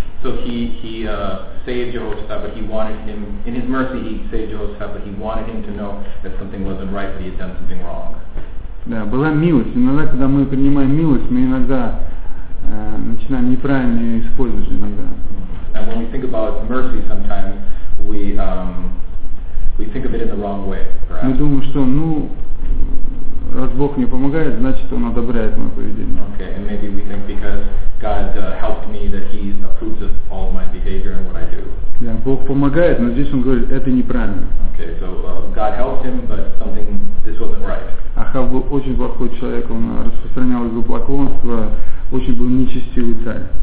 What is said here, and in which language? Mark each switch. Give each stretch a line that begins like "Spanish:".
English: So he saved Jehoshaphat, but he wanted him, in his mercy he saved Jehoshaphat, but he wanted him to know that something wasn't right, that he had done something wrong.
Russian: Да, была милость. Иногда, когда мы принимаем милость, мы иногда начинаем неправильно ее использовать иногда.
English: And when we think about mercy sometimes, we think of it in the wrong way, perhaps.
Russian: Мы думаем, что, ну, раз Бог мне помогает, значит, Он одобряет мое поведение.
English: Okay, and maybe we think because God helped me that He approves of all my behavior and what I do.
Russian: Да, Бог помогает, но здесь Он говорит, это неправильно.
English: Okay, so God helped him, but something, this wasn't right.
Russian: Ахав был очень плохой человек, он распространял идолопоклонство, очень был нечестивый царь.